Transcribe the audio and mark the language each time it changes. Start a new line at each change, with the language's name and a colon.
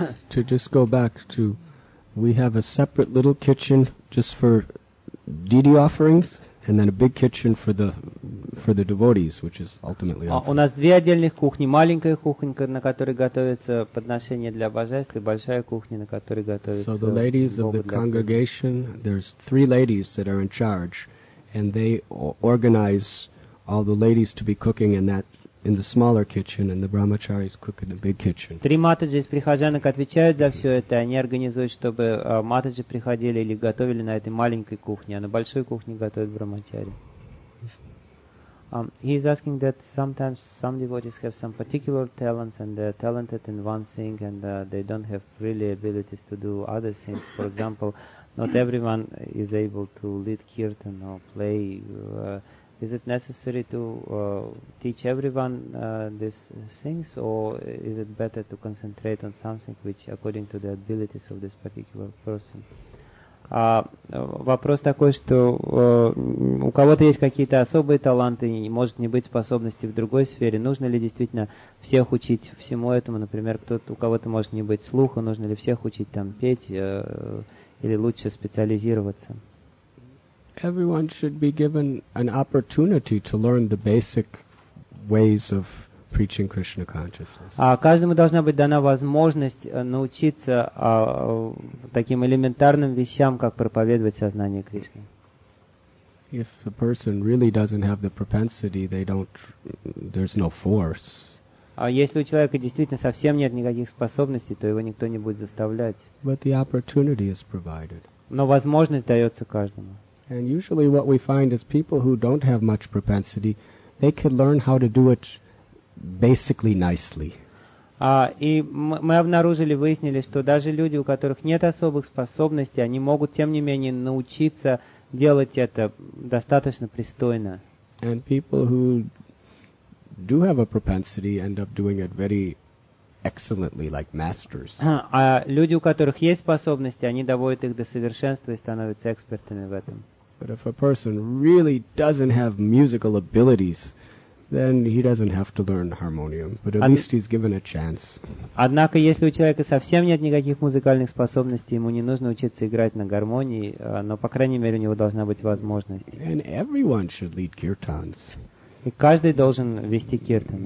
English: To just go back to, we have a separate little kitchen just for deity offerings, and then a big kitchen for the devotees, which is ultimately.
Russian: У нас две отдельных кухни: маленькая кухонька, на которой готовится подношение для божеств, и большая кухня, на которой готовится.
English: So the ladies of the congregation, there's three ladies that are in charge, and they organize all the ladies to be cooking in that. In the smaller kitchen, and the brahmacharis cook in the big kitchen.
Russian: Три матаджи из прихожанок отвечают за все это. Они организуют, чтобы матаджи приходили или готовили на этой маленькой кухне, а на большой кухне готовят брахмачари.
English: He is asking that sometimes some devotees have some particular talents and they are talented in one thing and they don't have really abilities to do other things. For example, not everyone is able to lead kirtan or play. Is it necessary to teach everyone these things, or is it better to concentrate on something which according to the abilities of this particular person?
Russian: Вопрос такой, что у кого-то есть какие-то особые таланты, и может не быть способности в другой сфере. Нужно ли действительно всех учить всему этому? Например, кто-то, у кого-то может не быть слуха, нужно ли всех учить там петь или лучше специализироваться?
English: Everyone should be given an opportunity to learn the basic ways of preaching Krishna consciousness.
Russian: Каждому должна быть дана возможность научиться таким элементарным вещам, как проповедовать сознание Кришны.
English: If a person really doesn't have the propensity, there's no force.
Russian: Если у человека действительно совсем нет никаких способностей, то его никто не будет заставлять.
English: But the opportunity is provided.
Russian: Но возможность дается каждому.
English: And usually what we find is people who don't have much propensity, they could learn how to do it basically nicely.
Russian: И мы обнаружили, выяснили, что даже люди, у которых нет особых способностей, они могут, тем не менее, научиться делать это достаточно пристойно.
English: And people who do have a propensity end up doing it very excellently, like masters.
Russian: Люди, у которых есть способности, они доводят их до совершенства и становятся экспертами в этом.
English: But if a person really doesn't have musical abilities, then he doesn't have to learn harmonium. But at least he's given a chance.
Russian: Однако, если у человека совсем нет никаких музыкальных способностей, ему не нужно учиться играть на гармонии, но по крайней мере у него должна быть возможность.
English: And everyone should lead kirtans.
Russian: И каждый должен вести киртаны.